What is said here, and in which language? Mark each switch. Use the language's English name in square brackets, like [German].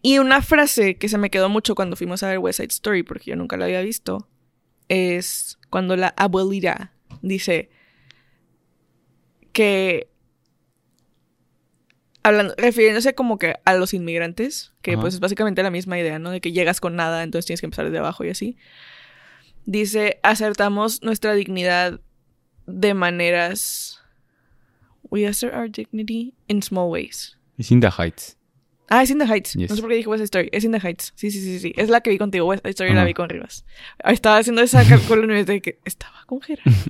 [Spanish] Y una frase que se me quedó mucho cuando fuimos a ver West Side Story, porque yo nunca la había visto, es cuando la abuelita dice que, refiriéndose como que a los inmigrantes, que uh-huh. Pues es básicamente la misma idea, ¿no? De que llegas con nada, entonces tienes que empezar desde abajo y así. Dice, acertamos nuestra dignidad de maneras... [English] We assert our dignity in small ways. It's in the heights. [Spanish] Ah, es In the Heights. [English] Yes. [Spanish] No sé por qué dije West Side Story. Es In the Heights. Sí, sí, sí, sí. Es la que vi contigo. West Side Story la vi con Rivas. Estaba haciendo esa cálculo y me dije que estaba con Gerardo.